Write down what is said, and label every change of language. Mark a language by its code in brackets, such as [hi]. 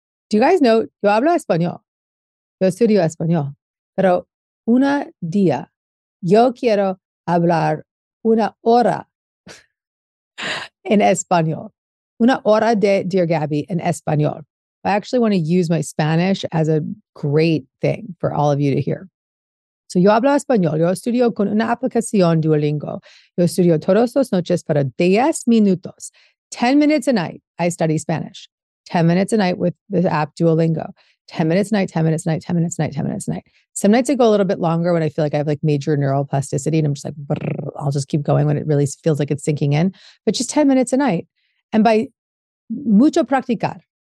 [en] Do you guys know, [es] yo hablo español. Yo estudio español. Pero una día, yo quiero hablar una hora en español. Una hora de Dear Gabby en español. [en] I actually want to use my Spanish as a great thing for all of you to hear. [es] So yo hablo español. Yo estudio con una aplicación Duolingo. Yo estudio todos los noches para 10 minutos. [en] 10 minutes a night, I study Spanish. 10 minutes a night with the app Duolingo. 10 minutes a night, 10 minutes a night, 10 minutes a night, 10 minutes a night. Some nights I go a little bit longer when I feel like I have like major neuroplasticity and I'm just like, I'll just keep going when it really feels like it's sinking in. But just 10 minutes a night. And by [es] mucho practicar.